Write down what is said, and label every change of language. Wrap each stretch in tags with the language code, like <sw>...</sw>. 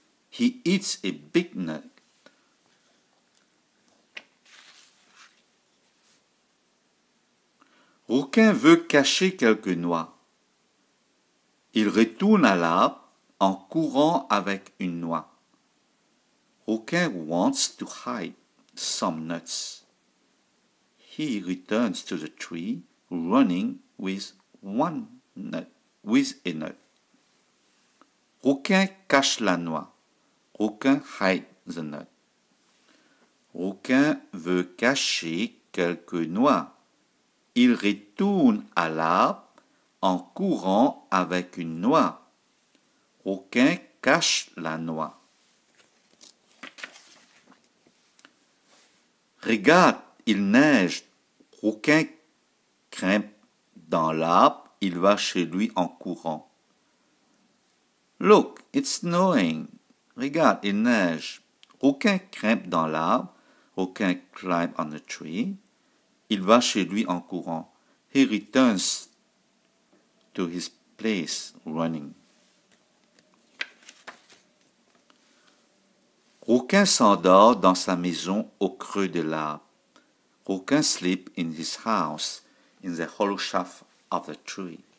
<en>He eats a big nut.</en> <fr>Rouquin veut cacher quelques noix. Il retourne à l'arbre en courant avec une noix.</fr> <en>Rouquin wants to hide some nuts. He returns to the tree running with one nut, with a nut.</en> <fr>Rouquin cache la noix.</fr> <en>Rouquin hide the nut.</en> <fr>Rouquin veut cacher quelques noix. Il retourne à l'arbre en courant avec une noix. Rouquin cache la noix. Regarde, il neige. Rouquin grimpe dans l'arbre. Il va chez lui en courant.</fr> <en>Look, it's snowing.</en> <fr>Regarde, il neige. Rouquin grimpe dans l'arbre.</fr> <en>Rouquin climb on the tree.</en> <fr>Il va chez lui en courant.</fr> <en>He returns to his place running.</en> <fr>Rouquin s'endort dans sa maison au creux de l'arbre.</fr> <en>Rouquin sleeps in his house in the hollow shaft of the tree.</en>